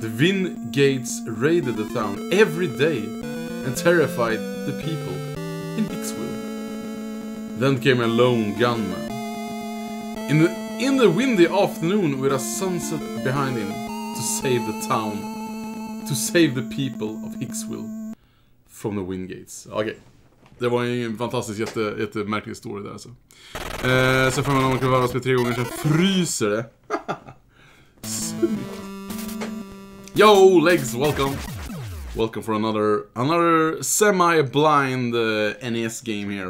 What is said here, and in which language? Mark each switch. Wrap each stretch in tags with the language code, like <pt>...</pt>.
<en>The Wingates raided the town every day and terrified the people in Hicksville. Then came a lone gunman. In the windy afternoon with a sunset behind him to save the town, to save the people of Hicksville from the Wingates. Okay.</en> <sv>Det var en fantastisk, jättemärklig story där alltså. Sen får man om man kan varvas med tre gånger, sen fryser det.</sv> <en>Yo, Legs, welcome! Welcome for another semi-blind NES game here.</en>